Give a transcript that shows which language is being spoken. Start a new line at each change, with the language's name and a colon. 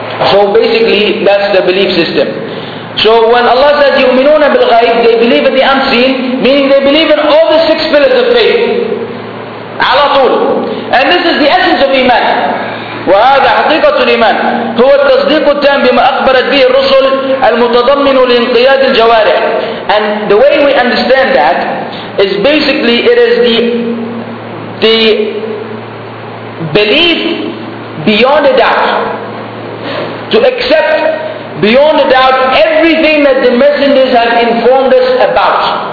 English: So basically that's the belief system. So when Allah says
Arabic: يؤمنون بالغيب,
English: they believe in the unseen, meaning they believe in all the six pillars of faith.
Arabic: على طول.
English: And this is the essence of Iman.
Arabic: وهذا حقيقة الإيمان هو التصديق التام بما أخبرت به الرسل المتضمن لانقياد الجوارح.
English: And the way we understand that is basically it is the belief beyond a doubt, to accept beyond a doubt everything that the messengers have informed us about.